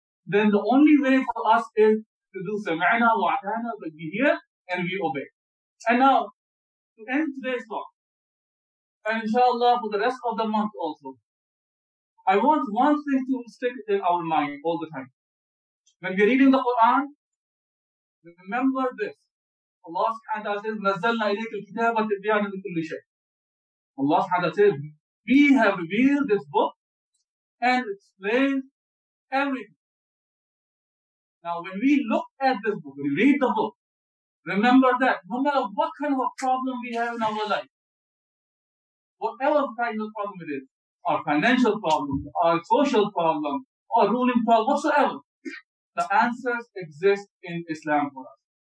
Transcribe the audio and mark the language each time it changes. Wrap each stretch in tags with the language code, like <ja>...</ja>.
<en>Then the only way for us is to do sami'na wa ata'na, that we hear and we obey. And now, to end today's talk, and inshallah for the rest of the month also, I want one thing to stick in our mind all the time. When we're reading the Quran, remember this. Allah subhanahu wa ta'ala says,</en> <ar>نَزَّلْنَا إِلَيْكَ الْكِتَابَ تِبْيَانَ لِكُلِّ شَيْءٍ.</ar> <en>Allah subhanahu wa ta'ala says, we have revealed this book and explained everything. Now when we look at this book, we read the book, remember that no matter what kind of a problem we have in our life, whatever kind of problem it is, our financial problem, our social problem, our ruling problem, whatsoever, the answers exist in Islam for us.</en>